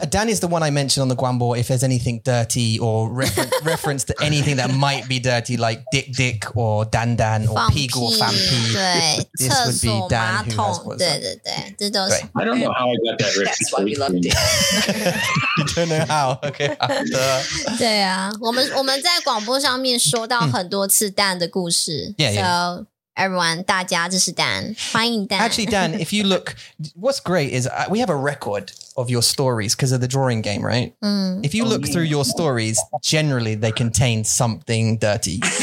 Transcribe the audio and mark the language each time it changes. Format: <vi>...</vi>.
<en>Dan is the one I mentioned on the Guambo. If there's anything dirty or reference to anything that might be dirty, like dick or dan or pig or fan pee,</en> <zh>对，厕所马桶，对对对，这都是。</zh> <en>I don't know how I got that reference. That's why we loved it. You don't know how. Okay. After.</en> <zh>对啊，我们在广播上面说到很多次 Dan 的故事。</zh> <en>Yeah. So, yeah. Everyone,</en> <zh>大家，这是 Dan. 欢迎 Dan.</zh> <en>Actually, Dan, if you look, what's great is we have a record of your stories because of the drawing game, right? Mm. If you look through your stories, generally they contain something dirty.</en>